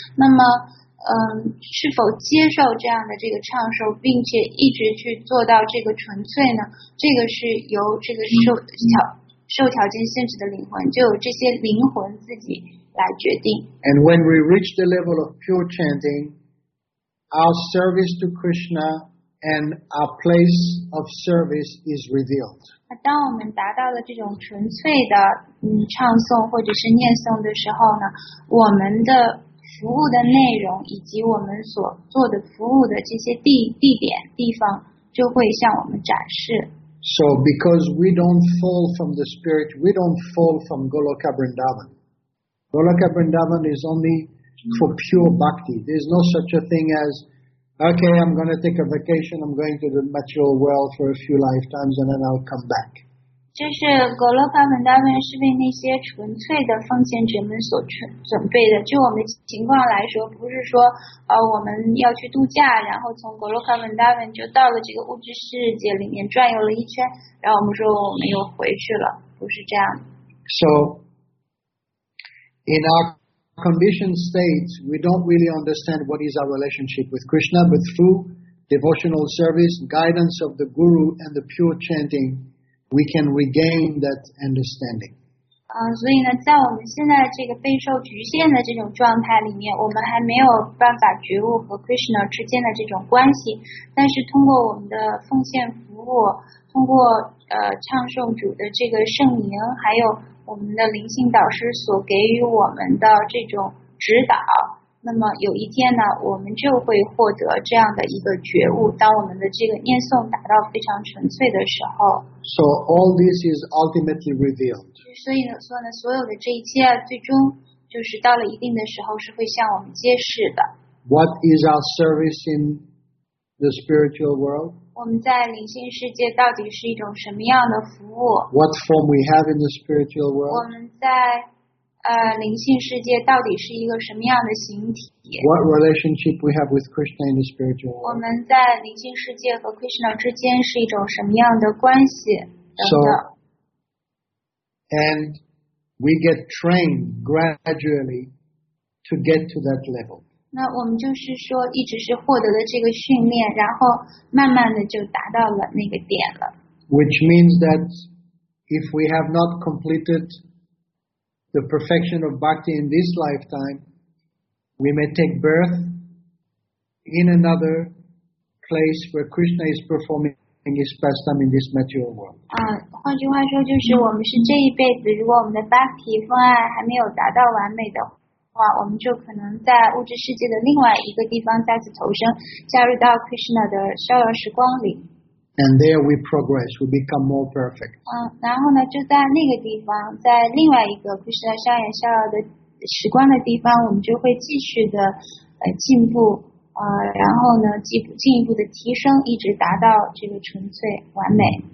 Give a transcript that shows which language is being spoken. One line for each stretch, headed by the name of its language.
Chinese: 那么，是否接受这样的这个唱诵，并且一直去做到这个纯粹呢？这个是由这个受条件限制的灵魂，就有这些灵魂自己来决定。
English: And when we reach the level of pure chanting, our service to Krishna and our place of service is revealed.
Chinese: 当我们达到了这种纯粹的唱诵或者是念诵的时候呢，我们的服务的内容以及我们所做的服务的这些地点地方就会向我们展示。
English: So because we don't fall from the spirit, we don't fall from Goloka Vrindavan. Goloka Vrindavan is only for pure bhakti. There's no such a thing as,okay, I'm going to take a vacation, I'm going to the material world for a few lifetimes, and then I'll come back.
Chinese: 就是格洛卡文达文是为那些纯粹的奉献者们所准备的。就我们情况来说，不是说我们要去度假，然后从格洛卡文达文就到了这个物质世界里面转悠了一圈，然后我们说我们又回去了，不是这样。
English: So, in our condition states, we don't really understand what is our relationship with Krishna, but through devotional service, guidance of the Guru, and the pure chanting, we can regain that understanding.
Chinese: 所以呢，在我们现在这个备受局限的这种状态里面，我们还没有办法觉悟和 Krishna 之间的这种关系。但是通过我们的奉献服务，通过唱诵主的这个圣名，还有我们的灵性导师所给予我们的这种指导，那么有一天呢，我们就会获得这样的一个觉悟。当我们的这个念诵达到非常纯粹的时候
English: ，So all this is ultimately revealed.
Chinese: 所以呢，所有的这一切，最终就是到了一定的时候，是会向我们揭示的。
English: What is our service in the spiritual world?
Chinese: 我们在灵性世界到底是一种什么样的服务？
English: What form we have in the spiritual world?
Chinese: 我们在灵性世界到底是一个什么样的形体？
English: What relationship we have with Krishna in the spiritual world?
Chinese: 我们在灵性世界和 Krishna 之间是一种什么样的关系？
English: So, and we get trained gradually to get to that level.
Chinese: 那我们就是说一直是获得了这个训练然后慢慢的就达到了那个点了
English: Which means that if we have not completed the perfection of bhakti in this lifetime we may take birth in another place where Krishna is performing his pastime in this material world
Chinese: 换句话说就是我们是这一辈子如果我们的 bhakti 方案还没有达到完美的我们就可能在物质世界的另外一个地方再次投生加入到 Krishna 的逍遥时光里
English: And there we progress, we become more perfect
Chinese: 然后呢就在那个地方在另外一个 Krishna 逍遥逍遥的时光的地方我们就会继续的进步然后呢进一步的提升一直达到这个纯粹完美